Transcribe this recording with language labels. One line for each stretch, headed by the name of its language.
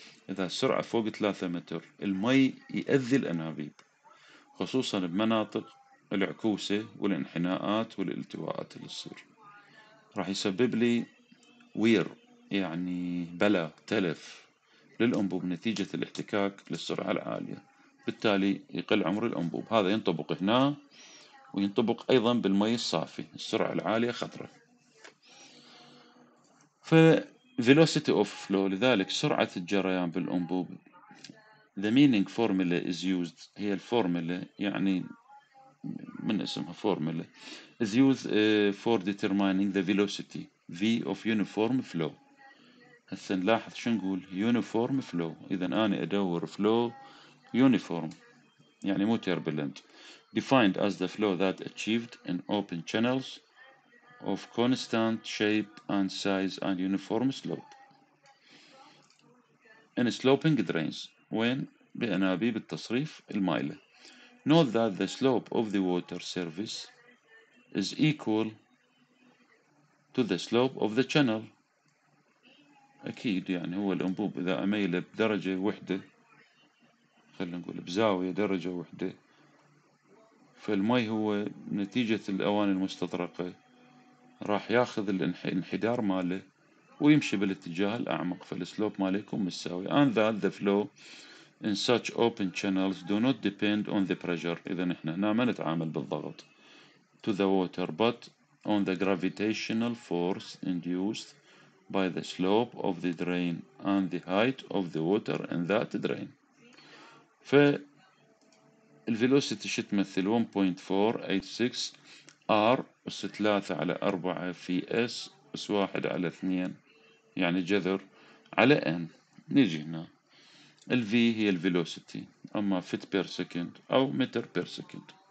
Arabic: اذا السرعة فوق 3 متر المي يأذي الانابيب، خصوصا بمناطق العكوسة والانحناءات والالتواءات اللي تصير، راح يسبب لي وير يعني بلا تلف للأنبوب نتيجة الاحتكاك للسرعة العالية، بالتالي يقل عمر الأنبوب. هذا ينطبق هنا وينطبق أيضا بالمي الصافي، السرعة العالية خطرة.
English: ف velocity of flow،
Arabic: لذلك سرعة الجريان بالأنبوب،
English: the meaning formula is used،
Arabic: هي الفورمولا يعني من اسمها
English: formula is used for determining the velocity v of uniform flow.
Arabic: هسه نلاحظ شو نقول
English: uniform flow،
Arabic: اذا انا ادور
English: flow uniform
Arabic: يعني مو
English: turbulent، defined as the flow that achieved in open channels of constant shape and size and uniform slope in sloping drains.
Arabic: وين؟ بأنابيب التصريف المائلة.
English: Note that the slope of the water surface is equal to the slope of the channel.
Arabic: أكيد يعني هو الأنبوب إذا أميل بدرجة وحدة، خلينا نقول بزاوية درجة وحدة، فالمي هو نتيجة الأواني المستطرقة راح ياخذ الانحدار ماله ويمشي بالاتجاه الأعمق، فالسلوب ماله يكون متساوي.
English: And that the flow in such open channels do not depend on the pressure.
Arabic: إذا نحن هنا ما نتعامل بالضغط
English: to the water but on the gravitational force induced by the slope of the drain and the height of the water in that drain.
Arabic: ف الفيلوسيتي شو تمثل 1.486 r اس 3 على 4 في s اس 1 على 2 يعني جذر على n. نيجي هنا ال v هي الفيلوسيتي اما فيت بير سكند او متر بير سكند.